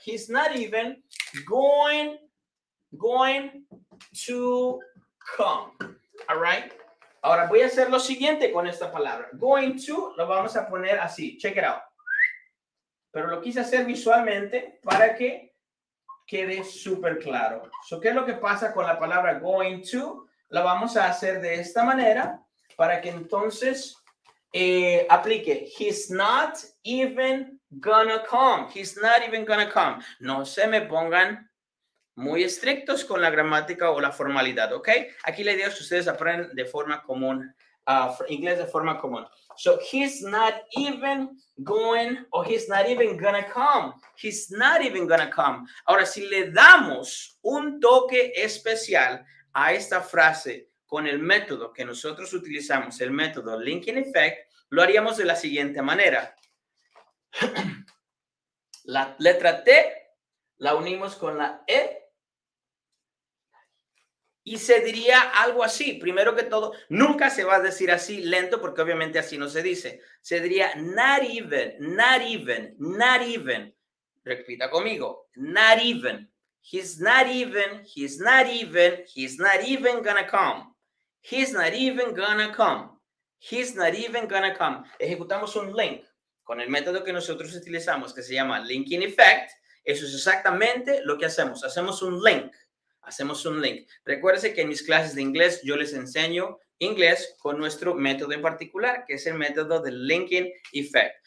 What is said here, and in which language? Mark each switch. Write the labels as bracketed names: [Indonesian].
[English] He's not even going to come, all right? [Spanish] Ahora voy a hacer lo siguiente con esta palabra. Going to lo vamos a poner así. [English] Check it out. [Spanish] Pero lo quise hacer visualmente para que quede súper claro. So, ¿qué es lo que pasa con la palabra going to? La vamos a hacer de esta manera para que entonces aplique. [English] He's not even gonna come. He's not even gonna come. [Spanish] No se me pongan muy estrictos con la gramática o la formalidad, ¿ok? Aquí la idea es que ustedes aprendan de forma común, inglés de forma común. [English] So, he's not even going, or he's not even gonna come. He's not even gonna come. [Spanish] Ahora, si le damos un toque especial a esta frase con el método que nosotros utilizamos, el método Linking Effect, lo haríamos de la siguiente manera. La letra T la unimos con la E. Y se diría algo así. Primero que todo, nunca se va a decir así lento, porque obviamente así no se dice. Se diría [English] not even, not even, not even. [Spanish] Repita conmigo. [English] Not even. He's not even, he's not even, he's not even gonna come. He's not even gonna come. He's not even gonna come. [Spanish] Ejecutamos un link con el método que nosotros utilizamos, que se llama Linking Effect. Eso es exactamente lo que hacemos. Hacemos un link. Hacemos un link. Recuérdense que en mis clases de inglés yo les enseño inglés con nuestro método en particular, que es el método de Linking Effect.